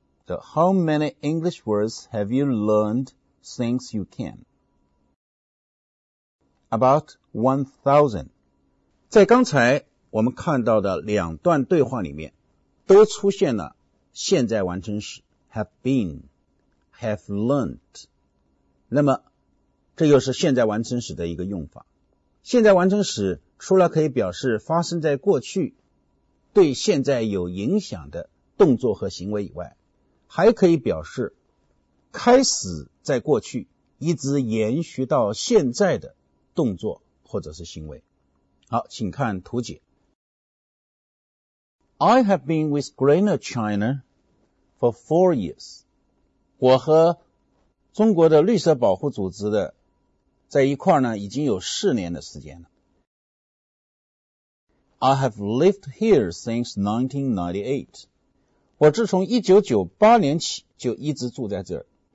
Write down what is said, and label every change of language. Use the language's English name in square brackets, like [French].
[English] So, how many English words have you learned since you came? About 1,000. [Chinese] 在刚才我们看到的两段对话里面，都出现了现在完成时 [English] have been, have learned. [Chinese] 那么这又是现在完成时的一个用法。现在完成时除了可以表示发生在过去对现在有影响的动作和行为以外，还可以表示开始在过去一直延续到现在的动作或者是行为。好，请看图解。 [English] I have been with Greener China for 4 years. [Chinese] 我和中国的绿色保护组织的在一块呢已经有4年的时间了。 [English] I have lived here since 1998. [Chinese] 我自从1998年起就一直住在这儿。